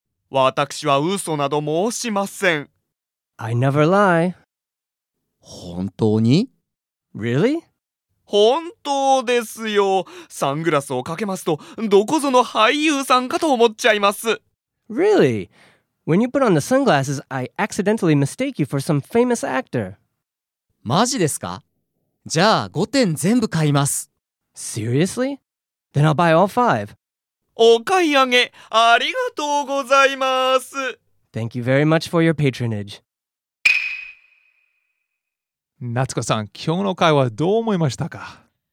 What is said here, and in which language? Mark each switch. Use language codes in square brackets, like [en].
[ja] 私は嘘など申しません。 [en] I never lie. [ja] 本当に? [en] Really? [ja] 本当ですよ。サングラスをかけますと、どこぞの俳優さんかと思っちゃいます。 [en] Really? When you put on the sunglasses, I accidentally mistake you for some famous actor. [ja] マジですか? じゃあ5点全部買います。 [en] Seriously? Then I'll buy all five. [ja] お買い上げありがとうございます。 [en] Thank you very much for your patronage. [ja] 夏子さん、今日の会話どう思いましたか?